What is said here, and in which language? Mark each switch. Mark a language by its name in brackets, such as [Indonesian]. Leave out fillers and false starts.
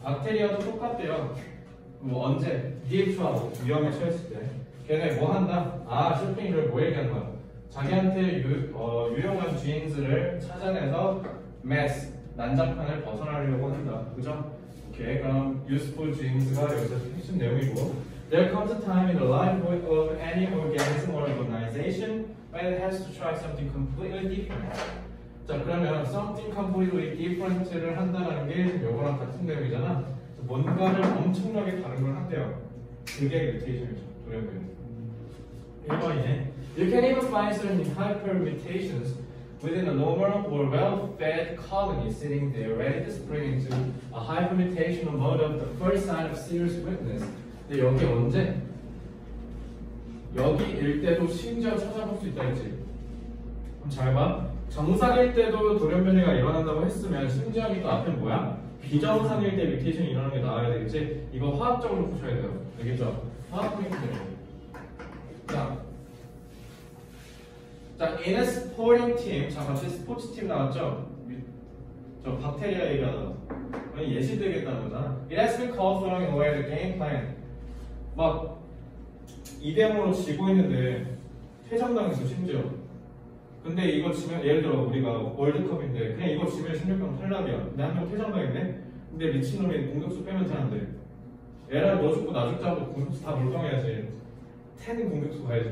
[Korean] 박테리아도 똑같대요. 뭐 언제? DHO하고 위험에 처했을 때. 걔네 뭐 한다? 아, 쇼핑을 뭐 얘기하는 거야? 자기한테 유용한 지인들을 찾아내서 매스, 난장판을 벗어나려고 한다. 그죠? 오케이, 그럼 useful 지인들과 여기서 핵심 내용이 뭐? [English] There comes a time in the life of any organism or organization when it has to try something completely different. [Korean] 자, 그러면 [English] something completely different [Korean] 를 한다는 게 요거랑 같은 내용이잖아. 뭔가를 엄청나게 다른 걸 한대요. 그게 뮤테이션이죠. 도래부에 1번이네. [English] You can even find certain hypermutations within a normal or well-fed colony sitting there ready to spring into a hypermutational mode of the first sign of serious weakness. [Korean] 근데 여기 언제? 여기일 때도 심지어 찾아볼 수 있다 했지. 그럼 잘 봐. 정상일 때도 돌연변이가 일어난다고 했으면 심지어는 또 앞에 뭐야? 비정상일 때 뮤테이션이 일어나는 게 나와야 되겠지? 이거 화학적으로 보셔야 돼요. 알겠죠? 화학 포인트. 자, [English] in a sporting team. [Korean] 자, 같이 스포츠 팀 나왔죠? 저 박테리아 얘기하다가 예시 되겠다는 거잖아. [English] It has been called throwing away the game plan. [Korean] 막 2대0으로 지고 있는데 퇴장당했어 심지어. 근데 이거 지면 예를 들어 우리가 월드컵인데 그냥 이거 지면 16강 탈락이야. 근데 한 명 퇴장당했네. 근데 미친놈이 공격수 빼면 되는데 얘랑 너 죽고 나 죽자고 공격수 다 몰빵해야지. 10 공격수 가야지.